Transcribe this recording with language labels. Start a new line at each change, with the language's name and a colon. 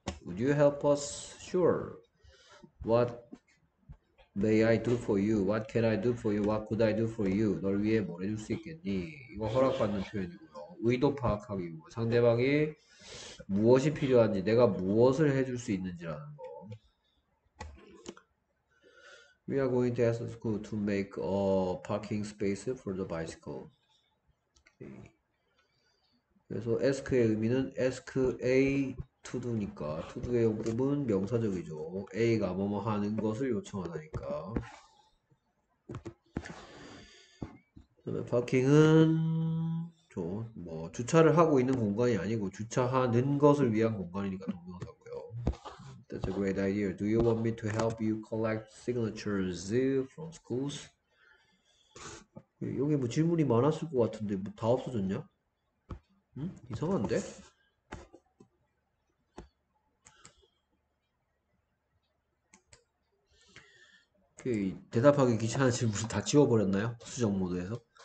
English: Would you help us? Sure. What may I do for you? What can I do for you? What could I do for you?
Korean: 널 위해 뭘 해줄 수 있겠니? 이거 허락받는 표현이고요. 의도 파악하기고 상대방이 무엇이 필요한지 내가 무엇을 해줄 수 있는지라는 거.
English: We are going to ask the school to make a parking space for the bicycle.
Korean: 그래서 ask의 의미는 ask a to do니까 to do의 용법은 명사적이죠. a가 뭐뭐 하는 것을 요청하다니까. 그다음에 parking은 뭐 주차를 하고 있는 공간이 아니고 주차하는 것을 위한 공간이니까 동명사고요.
English: That's a great idea. Do you want me to help you collect signatures from schools?
Korean: 여기 뭐 질문이 많았을 것 같은데 뭐다 없어졌냐? 응? 이상한데? 그 대답하기 귀찮은 질문 다 지워버렸나요? 수정 모드에서?